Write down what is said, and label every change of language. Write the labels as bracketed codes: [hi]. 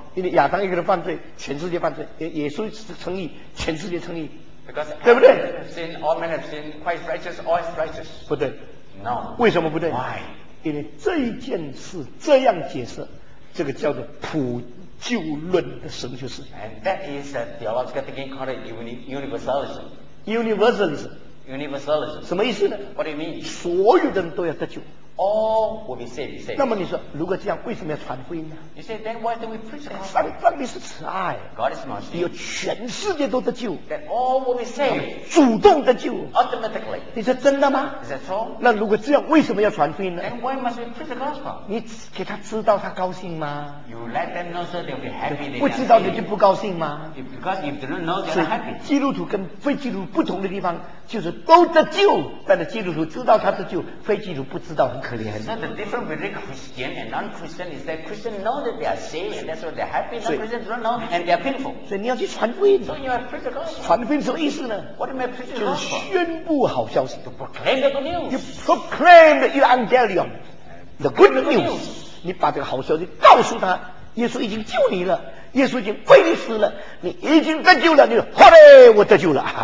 [zh] 因为亚当一个人犯罪，全世界犯罪，耶稣称义，全世界称义， [en] Because、 [zh] 对不对 [en] ？Sin all men have sinned, Christ righteous, all is righteous。 [zh] 不对 [en] ，No。 [zh] 为什么不对 [en] ？Why？ [zh] 因为这一件事这样解释，这个叫做普。旧论的神学思想 [en] ，and that is a theological thinking called universalism. Universalism. Universalism. [zh] 什么意思呢 [en] ？What do you mean? [zh] 所有的人都要得救。 [en] all will be saved. [zh] 那么你说，如果这样，为什么要传福音呢？ [en] You say then why do we preach the gospel? [zh] 上帝是慈爱， [en] God is mercy. [zh] 要全世界都得救， [en] that all will be saved. [zh] 主动得救， [en] automatically. [zh] 你说真的吗？ [en] Is that so? [zh] 那如果这样，为什么要传福音呢？ [en] Then why must we preach the gospel? [zh] 你给他知道他高兴吗？ [en] You let them know so they'll be happy. [zh] 不知道你就不高兴吗？ [en] Because if they don't know, they're not happy. [zh] 基督徒跟非基督徒不同的地方。就是都得救，但是基督徒知道他得救，非基督徒不知道，很可怜。 [en] So the difference between Christian and non-Christian is that Christian know that they are saved, and that's why they're happy. Non-Christians don't know, and they are painful. [zh] 所以你要去传福音。 [en] So you are preaching the gospel. [zh] 传福音什么意思呢？ [en] What am I preaching the [zh] gospel? 就是宣布好消息。 [en] To proclaim the good news. You proclaim the evangelium, the good news. [zh] 你把这个好消息告诉他，耶稣已经救你了。耶稣已经为你死了，你已经得救了，你说，好嘞，我得救了。